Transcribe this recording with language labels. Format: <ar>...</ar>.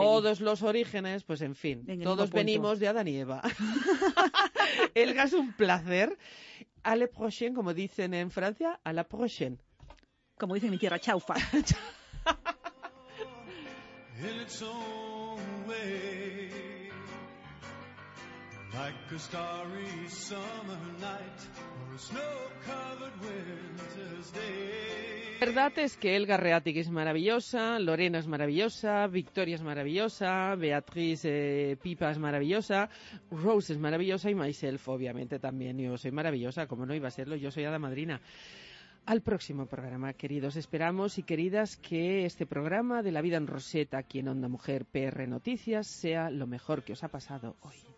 <es>Todos los orígenes, pues en fin, todos venimos de Adán y Eva. Elga, es un placer.</es> <fr>A la prochaine,</fr> <es>como dicen en Francia,</es> <fr>a la prochaine.</fr> <es>Como dicen en mi tierra, chaufa.</es> <en>In its own way, like a starry summer night or a snow-covered winter's day.</en> <es>La verdad es que Elga Reategui es maravillosa, Lorena es maravillosa, Victoria es maravillosa, Beatriz Pipa es maravillosa, Rose es maravillosa y myself, obviamente, también. Yo soy maravillosa, como no iba a serlo, yo soy Hada Madrina. Al próximo programa, queridos, esperamos y queridas que este programa de La Vida en Roseta aquí en Onda Mujer PR Noticias sea lo mejor que os ha pasado hoy.</es>